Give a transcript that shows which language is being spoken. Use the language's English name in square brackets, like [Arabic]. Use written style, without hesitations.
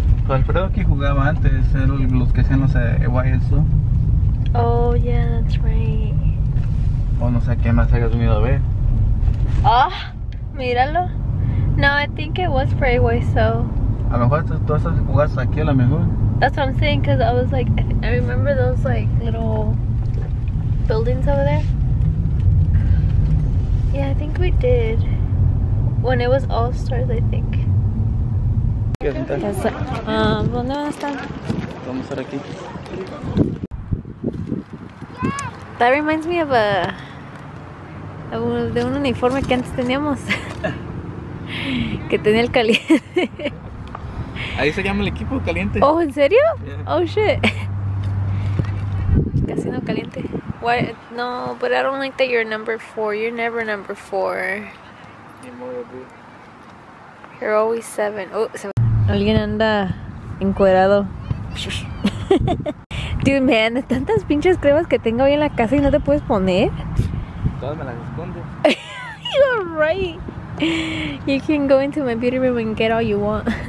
[Spanish] Alfredo aquí jugaba antes, eran los que hacían los EYSO. [English] Oh, yeah, that's right. [Spanish] Oh, no sé qué más hayas venido a ver. [English] Oh, [Spanish] míralo. [English] No, I think it was for EYSO. [Spanish] A lo mejor tú estás jugando aquí a lo mejor. [English] That's what I'm saying, because I was like, I remember those like little buildings over there. Yeah, I think we did. When it was All Stars, I think. [Spanish] ¿Dónde van a estar? Vamos a estar aquí. [English] That reminds me of [Spanish] un uniforme que antes teníamos. Que tenía el caliente. Ahí se llama el equipo caliente. [English] Oh, [Spanish] ¿en serio? [English] Yeah. Oh shit. [Spanish] Casino caliente. [English] What? No, but I don't like that you're number four. You're never number four. You're always seven. Oh, seven. [Spanish] Alguien anda encuerado. [English] Dude, man, [Spanish] tantas pinches cremas que tengo hoy en la casa y no te puedes poner. Todas me las escondo. [English] You're right. You can go into my beauty room and get all you want.